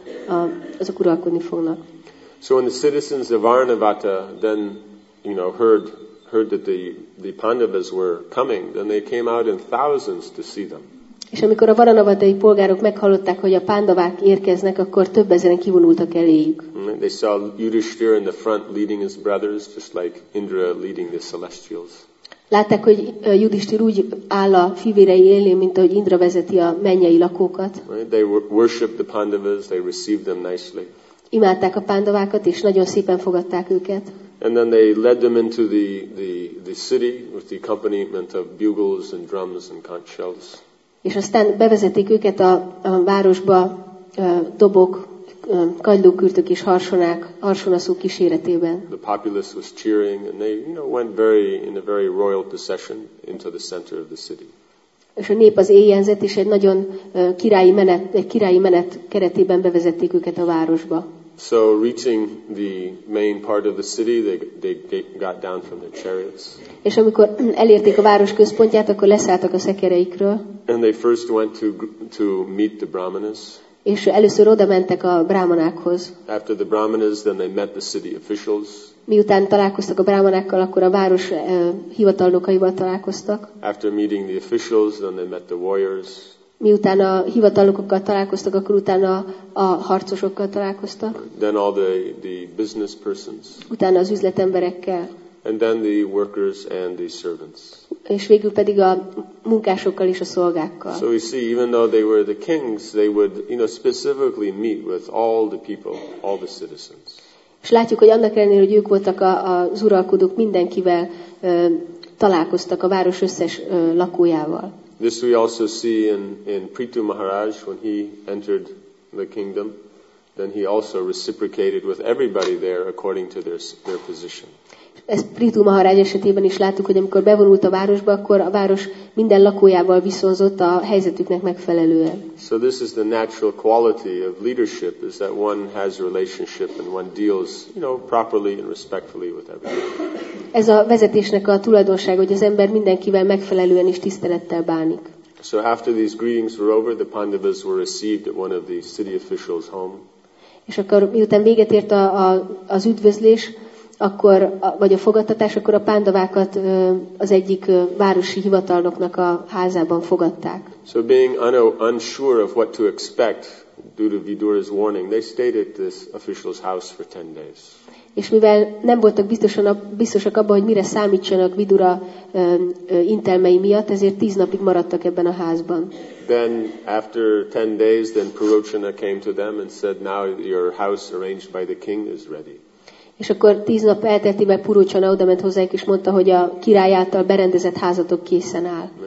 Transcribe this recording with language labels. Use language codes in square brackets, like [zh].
[en] So when the citizens of Varanavata then, you know, heard that the Pandavas were coming, then they came out in thousands to see them. [hu] És amikor a varanavatai polgárok meghallották, hogy a pándavák érkeznek, akkor több ezeren kivonultak eléjük. [en] They saw Yudhishthir in the front leading his brothers, just like Indra leading the celestials. [hu] Látták, hogy Yudhishthir úgy áll a fivérei élén, mint ahogy Indra vezeti a mennyei lakókat. [en] They worshiped the Pandavas, they received them nicely. [hu] Imádták a pándavákat, és nagyon szépen fogadták őket. [en] And then they led them into the city with the accompaniment of bugles and drums and conch shells. [hu] És aztán bevezetik őket a városba dobok, kagylókürtök és harsonaszók kíséretében. [en] The populace was cheering, and they, you know, went in a very royal procession into the center of the city. [hu] És a nép az éjjelzett, és egy nagyon királyi menet keretében bevezették őket a városba. [en] So reaching the main part of the city, they got down from their chariots. [hu] És amikor elérték a város központját, akkor leszálltak a szekereikről. [en] And they first went to meet the brahmanas. [hu] És először oda mentek a brahmanákhoz. [en] After the brahmanas, then they met the city officials. [hu] Miután találkoztak a brahmanákkal, akkor a város hivatalnokaival találkoztak. [en] After meeting the officials, then they met the warriors. [hu] Miután a hivatalnokokkal találkoztak, akkor utána a harcosokkal találkoztak. [en] Then all the business persons. [hu] Utána az üzletemberekkel. [en] And then the workers and the servants. [hu] És végül pedig a munkásokkal és a szolgákkal. [en] So we see, even though they were the kings, they would, you know, specifically meet with all the people, all the citizens. [hu] És látjuk, hogy annak ellenére, hogy ők voltak az uralkodók, mindenkivel találkoztak a város összes lakójával. [en] This we also see in Prithu Maharaj when he entered the kingdom. Then he also reciprocated with everybody there according to their position. [hu] Ezt Prithu Maharaj esetében is láttuk, hogy amikor bevonult a városba, akkor a város minden lakójával viszonzott a helyzetüknek megfelelően. [en] So this is the natural quality of leadership, is that one has a relationship and one deals, you know, properly and respectfully with everybody. [hu] Ez a vezetésnek a tulajdonsága, hogy az ember mindenkivel megfelelően és tisztelettel bánik. [en] So after these greetings were over, the Pandavas were received at one of the city officials' home. [hu] És akkor miután véget ért az üdvözlés, akkor vagy a fogadtatás, akkor a pándavákat az egyik városi hivatalnoknak a házában fogadták. [en] So being unsure of what to expect due to Vidura's warning, they stayed at this official's house for 10 days. [hu] És mivel nem voltak biztosak abban, hogy mire számítsanak Vidura intelmei miatt, ezért 10 napig maradtak ebben a házban. [en] Then after 10 days, then Purochana came to them and said, now your house arranged by the king is ready. [hu] És akkor 10 nap elteltével Purochana odament hozzájuk, és mondta, hogy a király által berendezett házatok készen áll.